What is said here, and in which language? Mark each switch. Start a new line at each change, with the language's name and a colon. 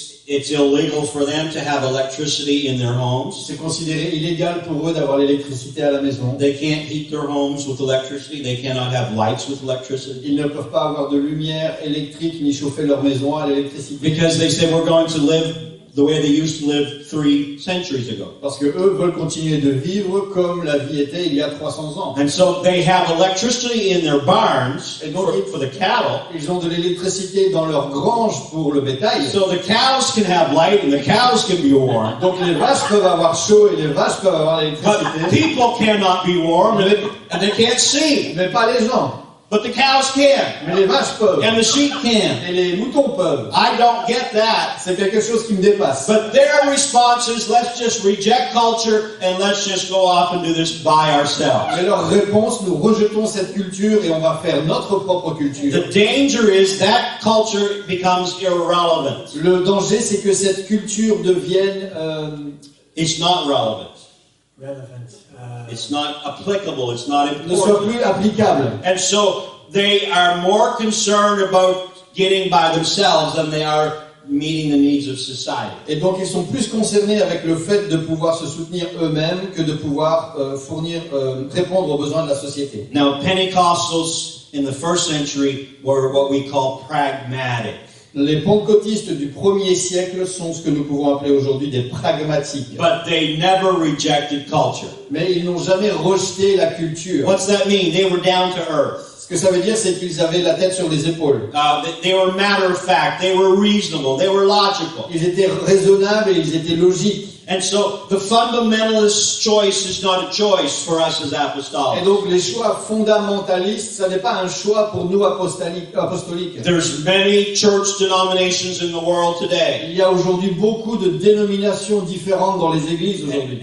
English: It's illegal for them to have electricity in their homes.
French: C'est considéré illégal pour eux d'avoir l'électricité à la maison.
English: They can't heat their homes with electricity. They cannot have lights with electricity.
French: Ils ne peuvent pas avoir de lumière électrique ni chauffer leur maison à l'électricité.
English: Because they say we're going to live the way they used to live 3 centuries ago.
French: Parce que eux veulent continuer de vivre comme la vie était il y a 300 ans.
English: And so they have electricity in their barns for the cattle.
French: Ils ont de l'électricité dans leur grange pour le bétail.
English: So the cows can have light and the cows can be warm.
French: Donc les vaches peuvent avoir chaud et les vaches peuvent avoir l'électricité.
English: But people cannot be warm and they can't see.
French: Mais pas les gens.
English: But the cows can.
French: Mais les vaches peuvent.
English: And the sheep can.
French: Et les moutons peuvent.
English: I don't get that.
French: C'est quelque chose qui me dépasse.
English: But their response is, let's just reject culture and let's just go off and do this by ourselves.
French: Mais leur réponse, nous rejetons cette culture et on va faire notre propre culture.
English: The danger is that culture becomes irrelevant.
French: Le danger, c'est que cette culture devienne...
English: It's not relevant.
French: Relevant.
English: It's not applicable, it's not important.
French: Ne soit plus applicable.
English: And so they are more concerned about getting by themselves than they are meeting the needs of society.
French: Et donc ils sont plus concernés avec le fait de pouvoir se soutenir eux-mêmes que de pouvoir répondre aux besoins de la société.
English: Now, Pentecostals in the first century were what we call pragmatic.
French: Les pentecôtistes du 1er siècle sont ce que nous pouvons appeler aujourd'hui des pragmatiques.
English: But they never rejected culture.
French: Mais ils n'ont jamais rejeté la culture.
English: What's that mean? They were down to earth.
French: Ce que ça veut dire, c'est qu'ils avaient la tête sur les épaules.
English: They were matter of fact, they were reasonable, they were logical.
French: Ils étaient raisonnables et ils étaient logiques.
English: And so the fundamentalist choice is not a choice for us as apostolics.
French: Et donc les choix fondamentalistes, ça n'est pas un choix pour nous apostoliques.
English: There's many church denominations in the world today.
French: Il y a aujourd'hui beaucoup de dénominations différentes dans les églises aujourd'hui.